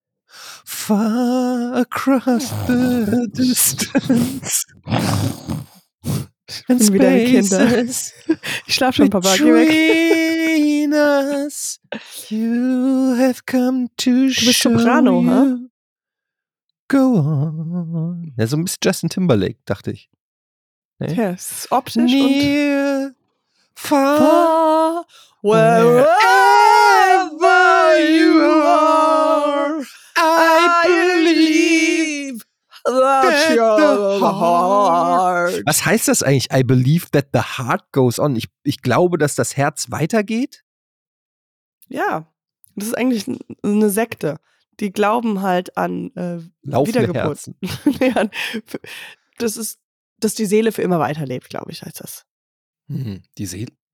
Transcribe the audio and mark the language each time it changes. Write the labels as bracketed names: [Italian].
[English] Far across the distance. And spaces. [German] Ich schlaf schon, Papa. [English] Between us, you have come to show Soprano, you. Huh? Go on. [German] Ja, so ein bisschen Justin Timberlake, dachte ich. Nee? Ja, es ist optisch. [English] Near, [German] und [English] far, wherever you are, I believe that your heart. [German] Was heißt das eigentlich? [English] I believe that the heart goes on. [German] Ich glaube, dass das Herz weitergeht. Ja, das ist eigentlich eine Sekte. Die glauben halt an Wiedergeburt. Nee, dass die Seele für immer weiterlebt, glaube ich, heißt das. Hm, die Seele?